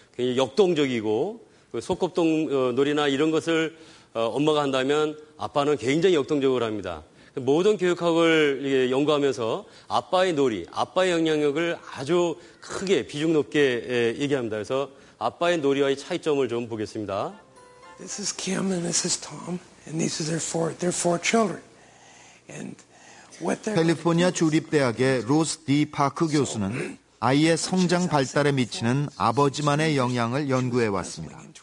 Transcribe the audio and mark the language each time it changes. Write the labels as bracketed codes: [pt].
[ko] 굉장히 역동적이고 그 소꿉동 놀이나 이런 것을 엄마가 한다면 아빠는 굉장히 역동적으로 합니다. 모든 교육학을 연구하면서 아빠의 놀이, 아빠의 영향력을 아주 크게 비중 높게 얘기합니다. 그래서 아빠의 놀이와의 차이점을 좀 보겠습니다. [en] This is Kim and this is Tom and these are their four children. And what they [ko] 캘리포니아 주립대학의 로스 디 파크 교수는 아이의 성장 발달에 미치는 아버지만의 영향을 연구해 왔습니다.